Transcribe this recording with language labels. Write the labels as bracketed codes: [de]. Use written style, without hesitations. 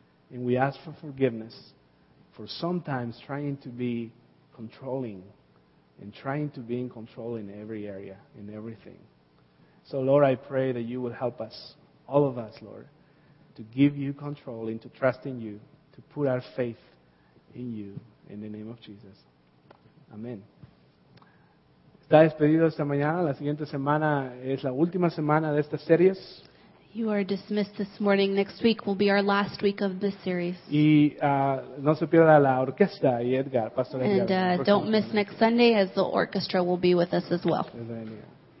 [en] And we ask for forgiveness for sometimes trying to be controlling and trying to be in control in every area, in everything. So, Lord, I pray that you will help us, all of us, Lord, to give you control and to trust in you, to put our faith in you, in the name of Jesus. [es] Amen. Está despedido esta mañana. La siguiente semana es la última semana de esta serie. [en] You are dismissed this morning. Next week will be our last week of this series. [es] Y no se pierda la orquesta y Edgar, Pastor Edgar. [en] And don't miss next Sunday as the orchestra will be with us as well.